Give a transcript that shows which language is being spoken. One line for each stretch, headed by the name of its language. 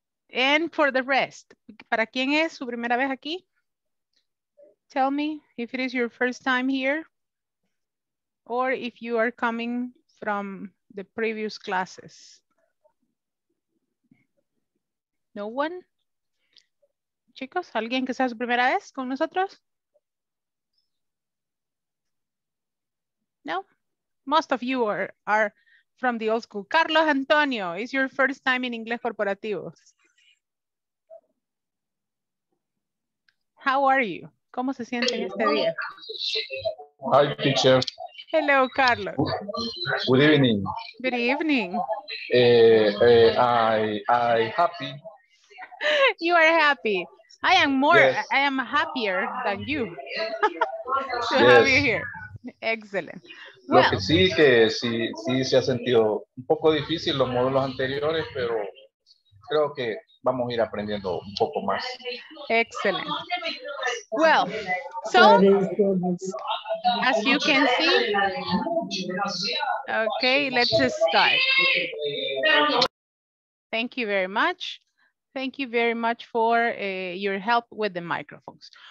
English: And for the rest,
Spanish: ¿para quién es su primera vez aquí?
English: Tell me if it is your first time here or if you are coming from the previous classes. No one?
Spanish: Chicos, ¿alguien que sea su primera vez con nosotros? No?
English: Most of you are from the old school. Carlos Antonio, is your first time in Inglés Corporativo? How are you?
Spanish: ¿Cómo se sienten este día?
English: Hi, teacher. Hello, Carlos. Good evening. Good evening. I'm happy. You are happy. I am more, yes. I am happier than you to yes. have you here. Excellent.
Spanish: Lo well, que sí, que sí, sí se ha sentido un poco difícil los módulos anteriores, pero creo que vamos a ir aprendiendo un poco más.
English: Excellent. Well, so, as you can see, okay, let's just start. Thank you very much. Thank you very much for your help with the microphones.